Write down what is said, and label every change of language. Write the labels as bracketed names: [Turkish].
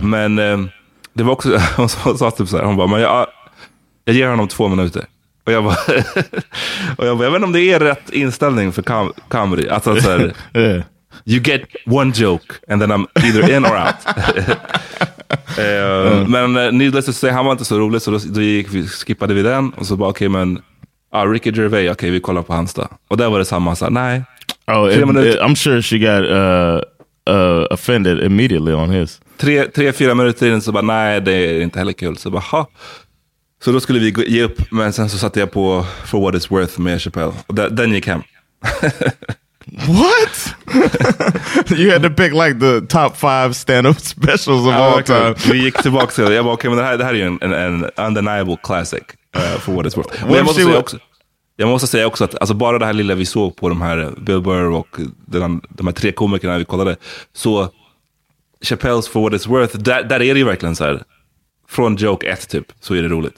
[Swedish] Men det var också, hon sa typ så här, hon bara, men jag ger honom 2 minuter. Och jag bara, och jag bara, jag vet inte om det är rätt inställning för comedy. Alltså så här, [English] yeah. You get one joke, and then I'm either in or out. [Swedish] Men [English] needless to say, [Swedish] han var inte så rolig, så då skippade vi den. Och så bara, okej, okay, men ah, Ricky Gervais, okej, okay, vi kollar på hans då. Och där var det samma, så nej. [English] Oh, I'm sure she got offended immediately on his. [Swedish] 3-4 minuter in så bara, nej, det är inte heller kul. Så bara, ha. Så då skulle vi ge upp, men sen så satte jag på For What It's Worth med Chappelle. Och den gick hem. [English] What? You had to pick like the top 5 stand-up specials of all time. [Swedish] Vi gick tillbaka till det. Jag bara, okej, okay, men det här är ju en [English] undeniable classic. [Swedish] For what it's worth. Jag måste säga också att alltså bara det här lilla vi såg på de här Bill Burr och de här tre komikerna vi kollade, så Chappelle's For What It's Worth, där är det ju verkligen så här, från joke 1 typ, så är det roligt.